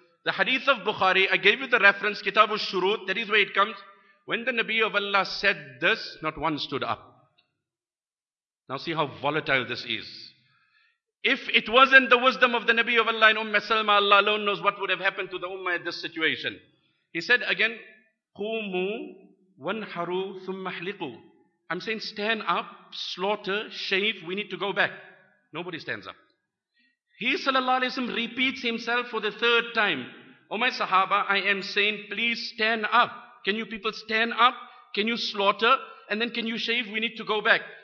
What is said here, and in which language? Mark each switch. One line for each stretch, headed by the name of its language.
English: The hadith of Bukhari, I gave you the reference, Kitab al-Shurut, that is where it comes. When the Nabi of Allah said this, not one stood up. Now see how volatile this is. If it wasn't the wisdom of the Nabi of Allah and Ummah Salma, Allah alone knows what would have happened to the Ummah at this situation. He said again,
Arabic: قُومُوا وَانْحَرُوا ثُمَّ حْلِقُوا.
English: I'm saying stand up, slaughter, shave, we need to go back. Nobody stands up. He sallallahu alayhi wa sallam repeats himself for the third time. Oh my Sahaba, I am saying please stand up. Can you people stand up? Can you slaughter? And then can you shave? We need to go back.